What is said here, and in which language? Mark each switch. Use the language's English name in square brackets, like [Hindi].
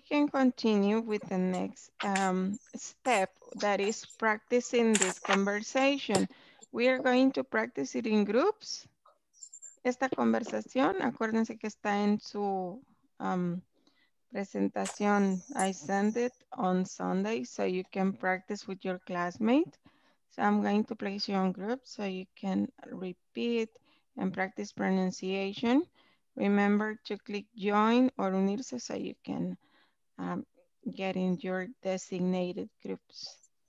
[English] can continue with the next step, that is practicing this conversation. We are going to practice it in groups. [Spanish] Esta conversación, acuérdense que está en su presentación. [English] I send it on Sunday so you can practice with your classmate. So I'm going to place you on groups so you can repeat and practice pronunciation. Remember to click join or unirse so you can get in your designated groups.